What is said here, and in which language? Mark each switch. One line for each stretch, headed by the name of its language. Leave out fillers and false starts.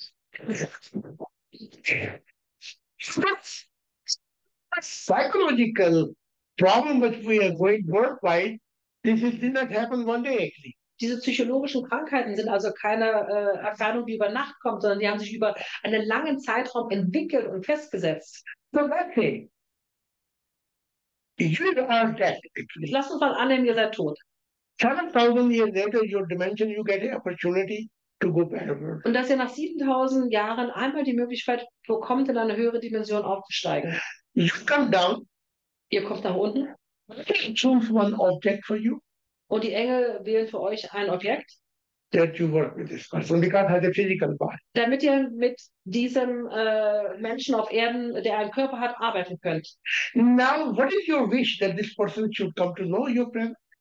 English: That's a psychological problem that we are going worldwide. This is did not happen one day actually.
German: Diese psychologischen Krankheiten sind also keine Erfahrung, die über Nacht kommt, sondern die haben sich über einen langen Zeitraum entwickelt und festgesetzt.
English: So that's it. You are dead actually.
German: Lass uns mal annehmen, ihr seid tot.
English: 7000 years later, your dimension, you get the opportunity to go back.
German: Und dass ihr nach 7000 Jahren einmal die Möglichkeit bekommt, in eine höhere Dimension aufzusteigen.
English: You come down.
German: Ihr kommt nach unten.
English: Choose one object for you.
German: Und die Engel wählen für euch ein Objekt.
English: That you work with this person because has a physical body.
German: Damit ihr mit diesem Menschen auf Erden, der einen Körper hat, arbeiten könnt.
English: Now, what is your wish that this person should come to know your friend?